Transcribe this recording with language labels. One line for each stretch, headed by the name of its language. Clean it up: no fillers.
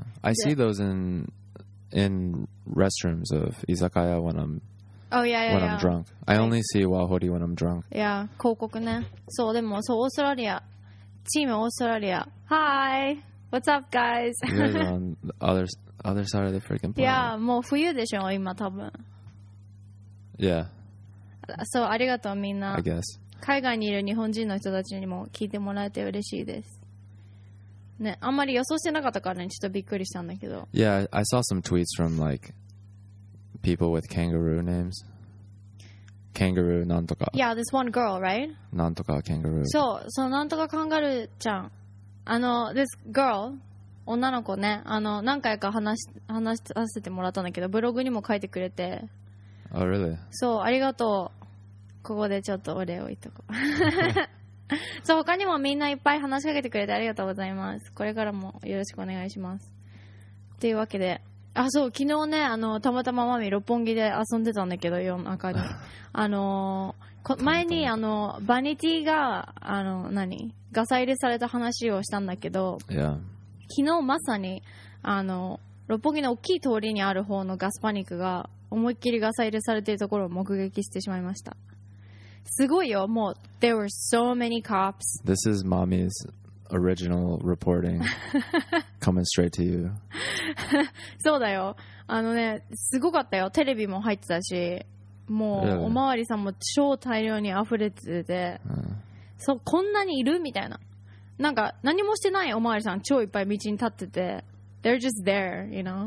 English: I see those in restrooms of izakaya when I'm Oh, yeah. I'm drunk. I only see Wahori when I'm drunk.
Japanese: Yeah, 広告ね。そう、でもそう、オーストラリア。チームオーストラリア。
English: Hi! What's up, guys? You're on the other side of the freaking planet.
Japanese: Yeah, もう冬でしょ、今多分。
English: Yeah.
Japanese: そう、ありがとうみんな。
English: I guess.
Japanese: 海外にいる日本人の人たちにも聞いてもらえて嬉しいです。ね、あんまり予想してなかったからね、ちょっとびっくりしたんだけど。
English: Yeah, I saw some tweets from like people with kangaroo names.
Japanese: Kangaroo なんとか。
English: Yeah, this one girl, right?
Japanese: なんとか kangaroo. そう、そのなんとかカンガルーちゃん。
English: This girl.
Japanese: 女の子ね、何回か話させてもらったんだけど、ブログにも書いてくれて。
English: Oh, really?
Japanese: そう、ありがとう。ここでちょっとお礼を言っとこう。そう、他にもみんないっぱい話しかけてくれてありがとうございます。これからもよろしくお願いします。っていうわけで、あ、そう、昨日ね、たまたまマミ六本木で遊んでたんだけど、夜中に。前に、バニティが、ガサ入れされた話をしたんだけど、いや。昨日まさに六本木の大きい通りにある方のガスパニックが思いっきりガサ入れされているところを目撃してしまいました。すごいよ、もう
English: There were so many cops. This is mommy's original reporting coming straight to you.
Japanese: そうだよ、すごかったよ、テレビも入ってたし、もうおまわりさんも超大量に溢れてて、そう、こんなにいるみたいな、なんか何もしてないおまわりさん超いっぱい道に立ってて、
English: They're just there, you know.